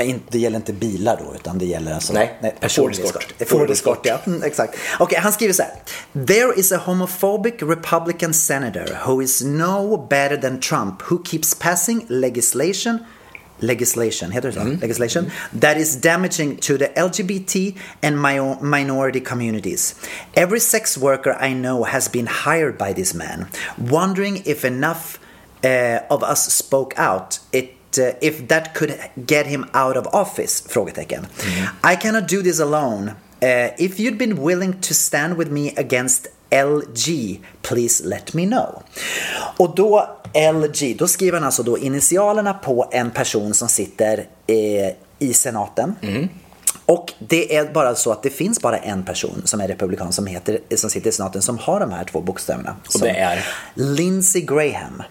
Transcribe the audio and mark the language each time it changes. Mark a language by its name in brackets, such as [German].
[Swedish] Det gäller inte bilar då, utan det gäller alltså... Nej, Ford Escort. Ja. Exakt. Okej, han skriver så här. [English] There is a homophobic Republican senator who is no better than Trump who keeps passing legislation, [Swedish] heter det så? [English] Legislation that is damaging to the LGBT and minority communities. Every sex worker I know has been hired by this man, wondering if enough of us spoke out if that could get him out of office, frågetecken. I cannot do this alone. If you'd been willing to stand with me against LG, please let me know. [Swedish] Och då LG, då skriver han alltså då initialerna på en person som sitter i senaten. Och det är bara så att det finns bara en person som är republikan som sitter i senaten som har de här två bokstäverna. Och det är? Lindsey Graham.